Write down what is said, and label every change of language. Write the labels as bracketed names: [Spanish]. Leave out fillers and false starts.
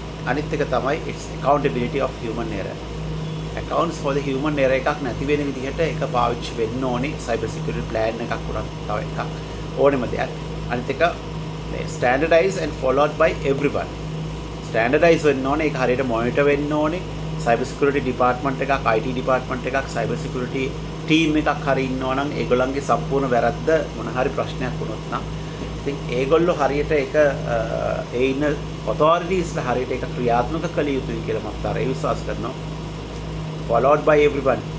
[Sinhala] අනිත් එක තමයි [English] its accountability of human error. Accounts for the human error [Sinhala] එකක් නැති වෙන විදිහට ඒක පාවිච්චි වෙන්න ඕනේ cyber security plan එකක් උනත් තව එකක් ඕනෙම දෙයක්. අනිත් එක [English] standardized and followed by everyone. [Sinhala] Standardized වෙන්න ඕනේ, ඒක හරියට monitor වෙන්න ඕනේ. Cyber security department එකක්, IT department එකක්, cyber security ටීම් එකක් හරි ඉන්නවා නම් ඒගොල්ලන්ගේ සම්පූර්ණ වැරද්ද මොන හරි ප්‍රශ්නයක් වුණොත් නම් ඉතින් ඒගොල්ලෝ හරියට ඒක ඒ ඉන්න ඔතෝරිටීස්ලා හරියට ඒක ක්‍රියාත්මක කළ යුතුයි කියලා මම තරයි විශ්වාස කරනවා. [English] Followed by everyone.